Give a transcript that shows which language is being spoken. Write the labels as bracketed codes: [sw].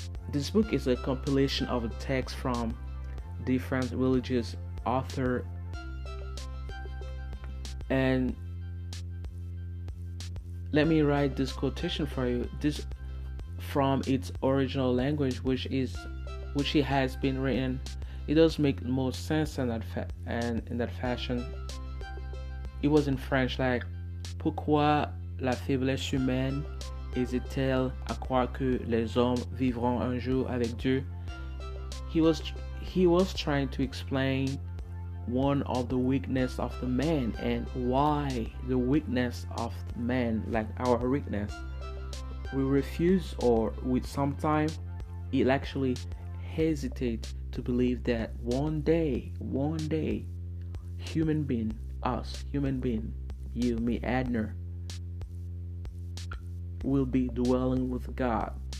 [en] This book is a compilation of texts from different religious author, and let me write this quotation for you. This from its original language, which it has been written, it does make more sense in that and in that fashion. It was in French, like, [fr] pourquoi la faiblesse humaine hésite-t-elle à croire que les hommes vivront un jour avec Dieu? [en] He was trying to explain one of the weakness of the man and why the weakness of the man, like our weakness, we refuse or with some time, he'll actually hesitate to believe that one day, us, human being, you, me, Adner, will be dwelling with God.